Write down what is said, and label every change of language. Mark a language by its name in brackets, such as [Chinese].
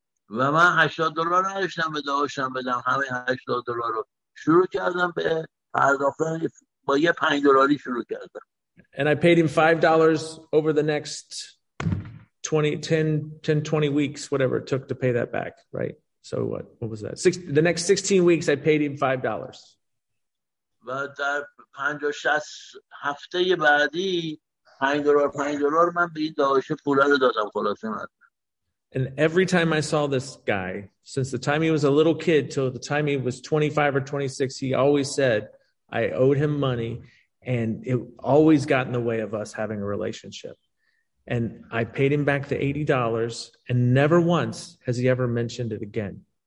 [Persian] و من 80 دلار نداشتم به داداشم بدم، همه 80 دلار رو شروع کردم به پرداختن، با یه 5 دلاری شروع کردم. [English] And I paid him $5 over the next 20 weeks, whatever it took to pay that back, right? So what was that? The next 16 weeks, I paid him $5. [Persian] و در 50-60 هفته بعدی $5 من به این داداش پولا رو دادم. خلاصه من [English] And every time I saw this guy, since the time he was a little kid till the time he was 25 or 26, he always said, I owed him money, and it always got in the way of us having a relationship. And I paid him back the $80, and never once has he ever mentioned it again.